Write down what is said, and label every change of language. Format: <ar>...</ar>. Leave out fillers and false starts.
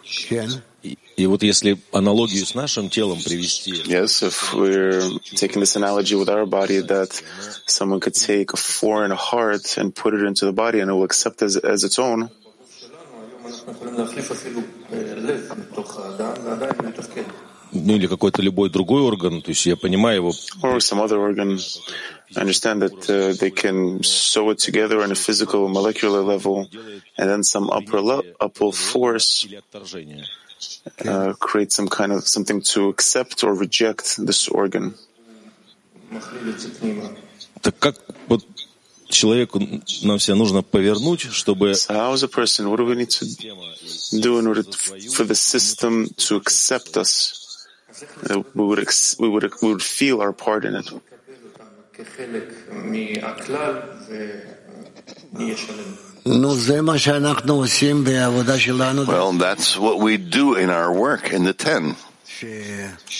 <en>Yes, if we're taking this analogy with our body, that someone could take a foreign heart and put it into the body and it will accept it as its own.</en> <ru>Ну или какой-то любой другой орган, то есть я понимаю его.</ru> <en>Or some other organ. I understand that they can sew it together on a physical molecular level, and then some upper force create some kind of something to accept or reject this organ.</en> <ru>Так как вот человеку нам все нужно повернуть, чтобы.</ru> <en>So how is a person? What do we need to do in order for the system to accept us? We would feel our part in it. Well, that's what we do in our work in the ten.</en>